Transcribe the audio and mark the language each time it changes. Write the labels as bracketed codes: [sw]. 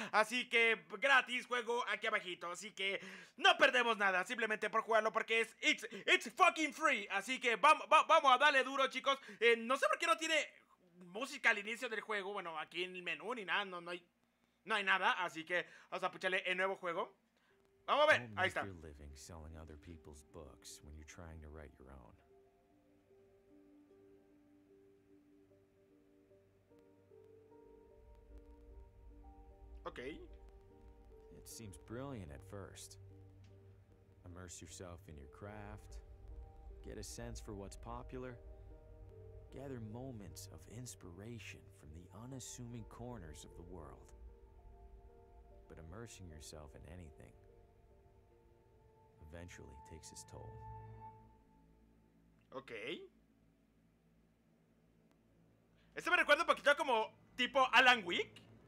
[es] Así que gratis, juego aquí abajito. Así que no perdemos nada, simplemente por jugarlo, porque es [en] it's fucking free. [es] Así que vamos a darle duro, chicos. No sé por qué no tiene música al inicio del juego. Bueno, aquí en el menú ni nada, no hay nada. Así que vamos a pucharle el nuevo juego. Vamos a ver, ahí está. [en] You're living selling other people's books when you're trying to write your own. Okay. It seems brilliant at first. Immerse yourself in your craft, get a sense for what's popular, gather moments of inspiration from the unassuming corners of the world. But immersing yourself in anything eventually takes its toll. Okay. [es] Este me recuerda un poquito como tipo Alan Wake.